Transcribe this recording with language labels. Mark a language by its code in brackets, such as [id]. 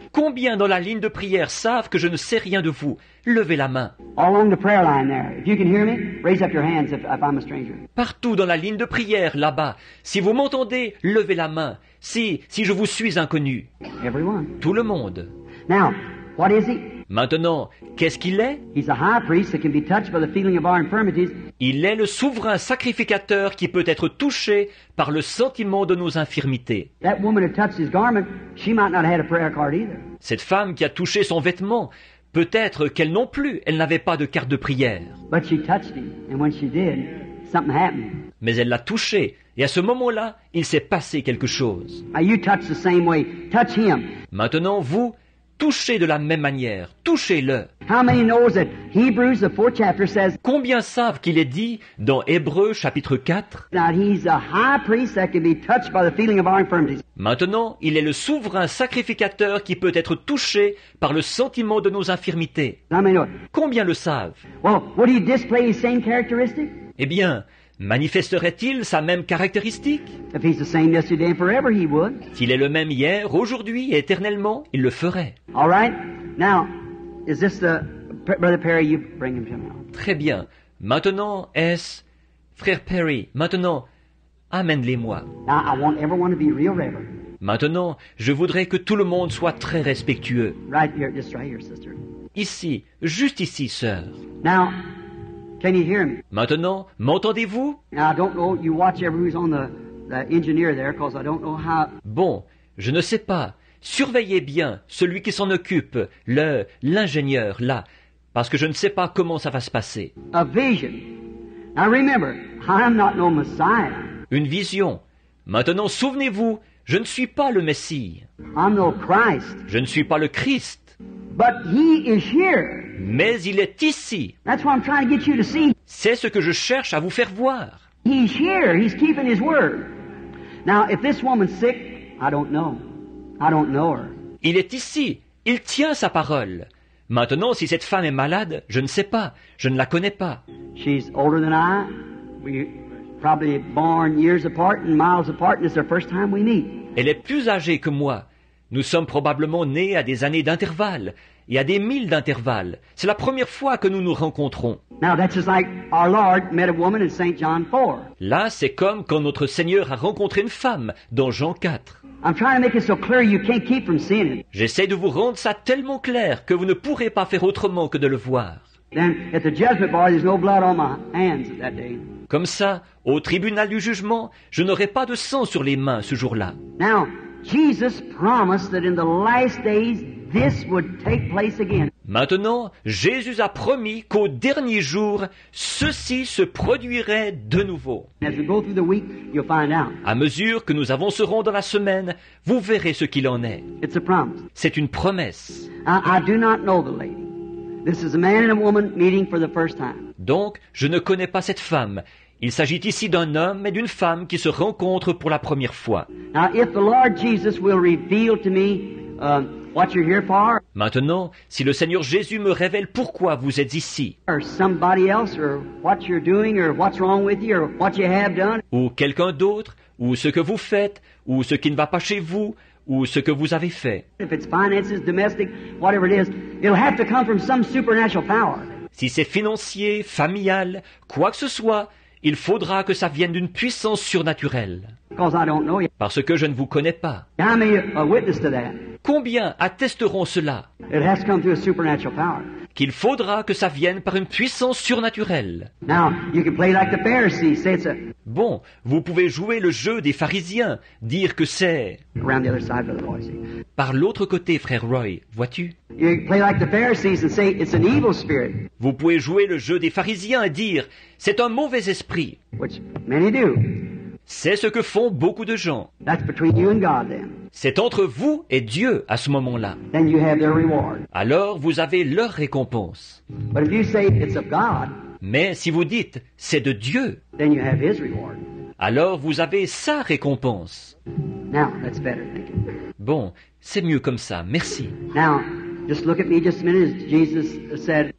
[fr] Combien dans la ligne de prière savent que je ne sais rien de vous? Levez la main. [en] All along the prayer line there. If you can hear me, raise up your hands if I'm a stranger. [fr] Partout dans la ligne de prière là-bas, si vous m'entendez, levez la main. Si je vous suis inconnu. [en] Everyone. [fr] Tout le monde. [en] Now, what is he? [fr] Maintenant, qu'est-ce qu'il est? [en] He's a high priest that can be touched by the feeling of our infirmities. [fr] Il est le souverain sacrificateur qui peut être touché par le sentiment de nos infirmités. [en] That woman who touched his garment, she might not have had a prayer card either. [fr] Cette femme qui a touché son vêtement, peut-être qu'elle non plus, elle n'avait pas de carte de prière. [en] But she touched him, and when she did, something happened. [fr] Mais elle l'a touché, et à ce moment-là, il s'est passé quelque chose. [en] Now you touch the same way. Touch him. [fr] Maintenant, vous, touchez de la même manière. Touchez-le. [en] How many knows that Hebrews, the fourth chapter, says, [fr] combien savent qu'il est dit dans Hébreux chapitre 4? Maintenant, il est le souverain sacrificateur qui peut être touché par le sentiment de nos infirmités. [en] How many know? [fr] Combien le savent? [en] Well, would he display his same characteristic? [fr] Eh bien, manifesterait-il sa même caractéristique? [en] If he's the same yesterday and forever, he would. [fr] S'il est le même hier, aujourd'hui et éternellement, il le ferait. [en] All right. Now, is this the brother Perry? You bring him to me. [fr] Très bien. Maintenant, est-ce frère Perry? Maintenant, amène-les-moi. [en] Now, I want everyone to be real reverent. [fr] Maintenant, je voudrais que tout le monde soit très respectueux. [en] Right here, just right here, sister. [fr] Ici, juste ici, sœur. [en] Now. Can you hear me? [fr] Maintenant, m'entendez-vous? [en] Now, I don't know. You watch everybody's on the engineer there, because I don't know how. [fr] Bon, je ne sais pas. Surveillez bien celui qui s'en occupe, l'ingénieur là, parce que je ne sais pas comment ça va se passer. [en] A vision. Now remember, I'm not no Messiah. [fr] Une vision. Maintenant, souvenez-vous, je ne suis pas le Messie. [en] I'm no Christ. [fr] Je ne suis pas le Christ. [en] But he is here. [fr] Mais il est ici. [en] That's what I'm trying to get you to see. [fr] C'est ce que je cherche à vous faire voir. [en] He's here. He's keeping his word. Now, if this woman's sick, I don't know. I don't know her. [fr] Il est ici. Il tient sa parole. Maintenant, si cette femme est malade, je ne sais pas. Je ne la connais pas. [en] She's older than I. We probably born years apart and miles apart, and it's the first time we meet. [fr] Elle est plus âgée que moi. Nous sommes probablement nés à des années d'intervalle et à des milles d'intervalle. C'est la première fois que nous nous rencontrons. [en] Now, that's just like our Lord met a woman in St. John 4. [fr] Là, c'est comme quand notre Seigneur a rencontré une femme dans Jean 4. [en] I'm trying to make it so clear you can't keep from seeing it. [fr] J'essaie de vous rendre ça tellement clair que vous ne pourrez pas faire autrement que de le voir. [en] Then, at the judgment bar, there's no blood on my hands that day. [fr] Comme ça, au tribunal du jugement, je n'aurai pas de sang sur les mains ce jour-là. [en] Now, Jesus promised that in the last days this would take place again. [fr] Maintenant, Jésus a promis qu'au dernier jour, ceci se produirait de nouveau. [en] As we go through the week, you'll find out. [fr] À mesure que nous avancerons dans la semaine, vous verrez ce qu'il en est. [en] It's a promise. [fr] C'est une promesse. [en] I do not know the lady. This is a man and a woman meeting for the first time. [fr] Donc, je ne connais pas cette femme. Il s'agit ici d'un homme et d'une femme qui se rencontrent pour la première fois. [en] Now, if the Lord Jesus will reveal to me what you're here for. [fr] Maintenant, si le Seigneur Jésus me révèle pourquoi vous êtes ici, [en] or somebody else, or what you're doing, or what's wrong with you, or what you have done, [fr] ou quelqu'un d'autre, ou ce que vous faites, ou ce qui ne va pas chez vous, ou ce que vous avez fait. [en] If it's finances, domestic, whatever it is, it'll have to come from some supernatural power. [fr] Si c'est financier, familial, quoi que ce soit, il faudra que ça vienne d'une puissance surnaturelle. [en] Because I don't know you. [fr] Parce que je ne vous connais pas. [en] I'm a witness to that. [fr] Combien attesteront cela? [en] It has come through a supernatural power. [fr] Qu'il faudra que ça vienne par une puissance surnaturelle. [en] Now, you can play like the Pharisees, say it's a... [fr] Bon, vous pouvez jouer le jeu des pharisiens, dire que c'est... [en] Around the other side, Brother Roy, see. [fr] Par l'autre côté, frère Roy, vois-tu? [en] You can play like the Pharisees and say it's an evil spirit. [fr] Vous pouvez jouer le jeu des pharisiens et dire c'est un mauvais esprit. [en] Which many do. [fr] C'est ce que font beaucoup de gens. [en] That's between you and God, then. [fr] C'est entre vous et Dieu à ce moment-là. [en] Then you have their reward. [fr] Alors vous avez leur récompense. [en] But if you say it's of God, [fr] mais si vous dites c'est de Dieu, [en] then you have his reward. [fr] Alors vous avez sa récompense. [en] Now, that's better, thank you. [fr] Bon, c'est mieux comme ça, merci. [en] Now, just look at me just a minute, as Jesus said.